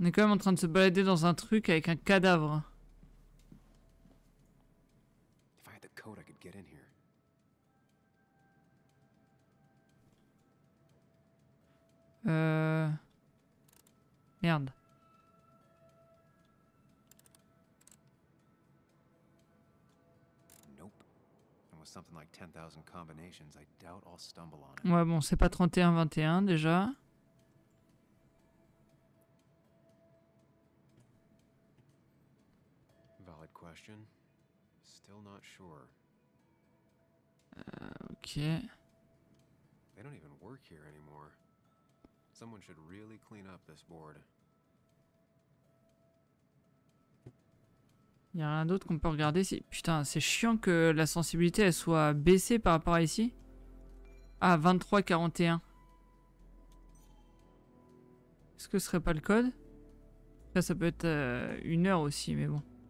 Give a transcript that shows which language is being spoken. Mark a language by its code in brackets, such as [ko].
[fr] On est quand même en train de se balader dans un truc avec un cadavre. [en] If I had the code, I could get in here. [fr] Merde. [en] Nope. It was something like 10,000 combinations. I doubt I'll stumble on [fr] it. Ouais, bon, c'est pas 31-21 déjà. [en] Valid question. Still not sure. OK. They don't even work here anymore. Someone should really clean up this board. [fr] Il y a rien d'autre qu'on peut regarder si. Putain, c'est chiant que la sensibilité elle soit baissée par rapport à ici. Ah, 23-41. Est-ce que ce serait pas le code? Ça peut être une heure aussi, mais bon.